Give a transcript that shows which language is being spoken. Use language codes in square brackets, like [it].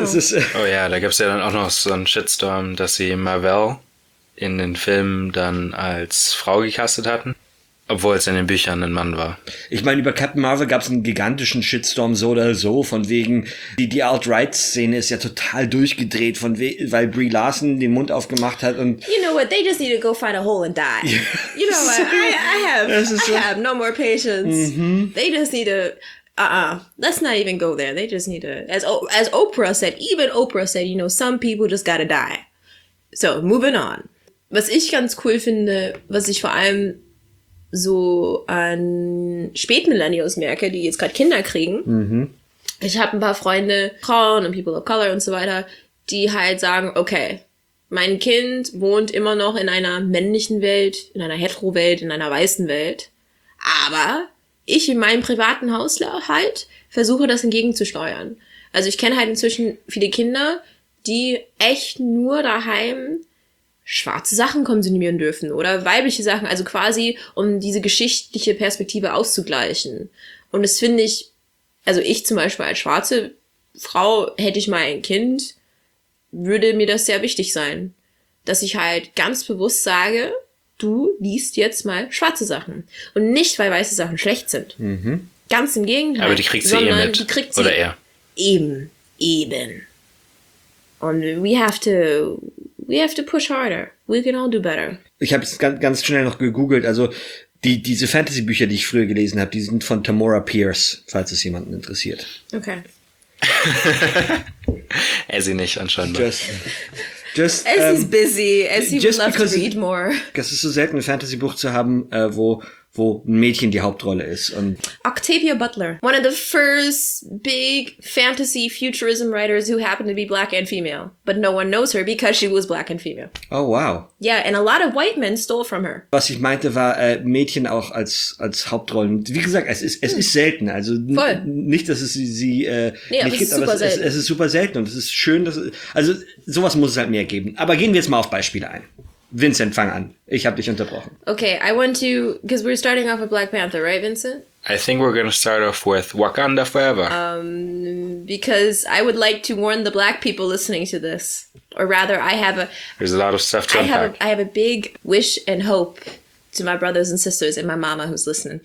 [de] Das ist, oh ja, da gab's ja dann auch noch so einen Shitstorm, dass sie Marvel in den Filmen dann als Frau gecastet hatten. Obwohl es in den Büchern ein Mann war. Ich meine, über Captain Marvel gab es einen gigantischen Shitstorm so oder so, von wegen, die Alt-Right-Szene ist ja total durchgedreht, weil Brie Larson den Mund aufgemacht hat und... [en] You know what, they just need to go find a hole and die. Yeah. You know what, I have no more patience. Mm-hmm. They just need to... Let's not even go there. They just need to... As Oprah said, even Oprah said, you know, some people just gotta die. So, moving on. [de] Was ich ganz cool finde, was ich vor allem so an Spätmillennials merke, die jetzt gerade Kinder kriegen. Mhm. Ich habe ein paar Freunde, Frauen und People of Color und so weiter, die halt sagen, okay, mein Kind wohnt immer noch in einer männlichen Welt, in einer Hetero-Welt, in einer weißen Welt, aber ich in meinem privaten Haushalt versuche das entgegenzusteuern. Also ich kenne halt inzwischen viele Kinder, die echt nur daheim schwarze Sachen konsumieren dürfen oder weibliche Sachen, also quasi um diese geschichtliche Perspektive auszugleichen. Und das finde ich, also ich zum Beispiel als schwarze Frau, hätte ich mal ein Kind, würde mir das sehr wichtig sein, dass ich halt ganz bewusst sage, du liest jetzt mal schwarze Sachen. Und nicht, weil weiße Sachen schlecht sind. Mhm. Ganz im Gegenteil. Aber die kriegt sie eher mit. Oder er. Eben. Und [en] we have to push harder. We can all do better. [de] Ich habe es ganz schnell noch gegoogelt. Also diese Fantasy-Bücher, die ich früher gelesen habe, die sind von Tamora Pierce, falls es jemanden interessiert. Okay. Er sie nicht anscheinend. Es ist [en] busy. Would love to read more. [de] Das ist so selten, ein Fantasy-Buch zu haben, wo ein Mädchen die Hauptrolle ist. Und [en] Octavia Butler, one of the first big fantasy futurism writers who happened to be black and female. But no one knows her because she was black and female. Oh, wow. Yeah, and a lot of white men stole from her. [de] Was ich meinte war, Mädchen auch als Hauptrollen. Wie gesagt, es ist selten. Also nicht, dass es es ist super selten. Und es ist schön, also sowas muss es halt mehr geben. Aber gehen wir jetzt mal auf Beispiele ein. Vincent, fang an. Ich habe dich unterbrochen. [en] Okay, I want to, because we're starting off with Black Panther, right, Vincent? I think we're going to start off with Wakanda Forever. Because I would like to warn the black people listening to this. Or rather, there's a lot of stuff to unpack. I have a big wish and hope to my brothers and sisters and my mama who's listening.